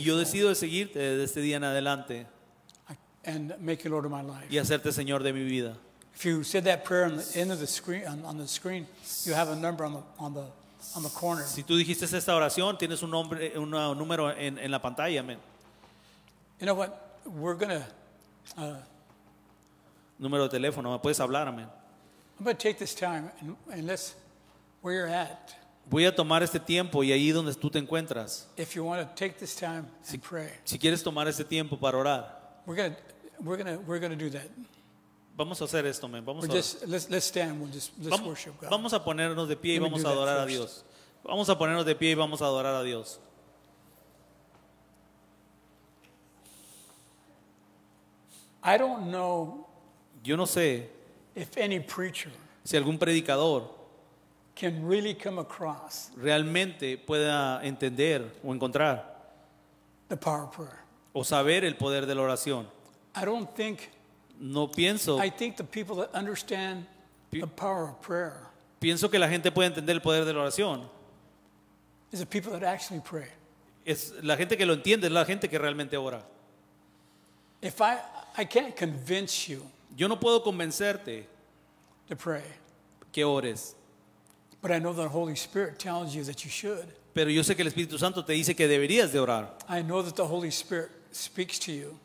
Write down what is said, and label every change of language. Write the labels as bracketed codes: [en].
[es] Y yo decido de seguirte desde este día en adelante. [en] And make you Lord of my life. [es] Y hacerte Señor de mi vida. [en] If you said that prayer on the end of the screen, on the screen, you have a number on the corner. [es] Si tú dijiste esta oración, tienes un nombre, un número en la pantalla, amén. [en] You know what? We're gonna. [es] Número de teléfono, me puedes hablar, amén. [en] I'm gonna take this time and let's where you're at. [es] Voy a tomar este tiempo y ahí donde tú te encuentras. [en] If you want to take this time and pray. [es] Si quieres tomar este tiempo para orar. [en] We're gonna do that. [es] Vamos a hacer esto, men. Vamos [en] let's worship God. [es] Vamos a ponernos de pie y vamos a adorar a Dios. Vamos a ponernos de pie y vamos a adorar a Dios. [en] I don't know. [es] Yo no sé. [en] If any preacher. [es] Si algún predicador. [en] Can really come across. [es] Realmente pueda entender o encontrar. [en] The power of prayer. [es] O saber el poder de la oración. [en] I don't think. [es] No pienso. [en] I think the people that understand the power of prayer. [es] Pienso que la gente puede entender el poder de la oración. [en] Is the people that actually pray. [es] Es la gente que lo entiende, es la gente que realmente ora. [en] If I can't convince you. [es] Yo no puedo convencerte. [en] To pray. [es] Que ores. [en] But I know the Holy Spirit tells you that you should. [es] Pero yo sé que el Espíritu Santo te dice que deberías de orar. [en] I know that the Holy Spirit speaks to you.